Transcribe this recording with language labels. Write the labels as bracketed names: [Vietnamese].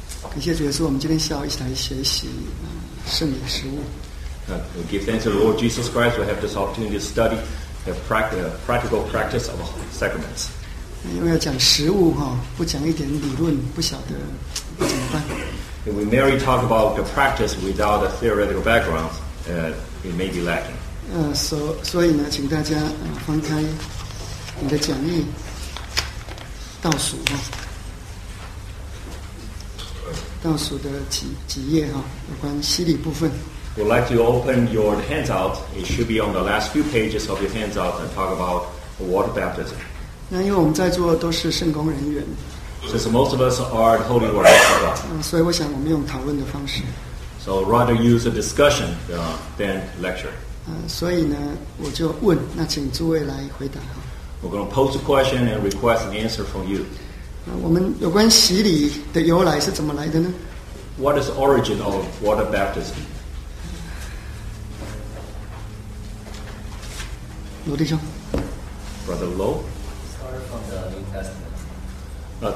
[Chinese] 感谢主耶稣，我们今天下午一起来学习圣礼的食物。 [English] We give thanks to the Lord Jesus Christ. We have this opportunity to study the practical practice of sacraments. [Chinese] 因为要讲食物哈，不讲一点理论，不晓得怎么办。 [English] If we merely talk about the practice without a theoretical background, it may be lacking. [Chinese] So 呢，请大家翻开你的讲义倒数哈，倒数的几页哈，有关洗礼部分。 [English] We'd like to open your handout. It should be on the last few pages of your handout and talk about water baptism. [Chinese] 那因为我们在座都是圣工人员。 [English] Since most of us are holy water people. [Chinese] 所以我想我们用讨论的方式。 [English] So rather use a discussion than lecture. [Chinese] 所以呢，我就问，那请诸位来回答。 [English] We're going to post a question and request an answer from you. [Chinese] 我们有关洗礼的由来是怎么来的呢？ [English] What is the origin of water baptism? [Chinese] 罗弟兄 [English] Brother Lo, start from the New Testament.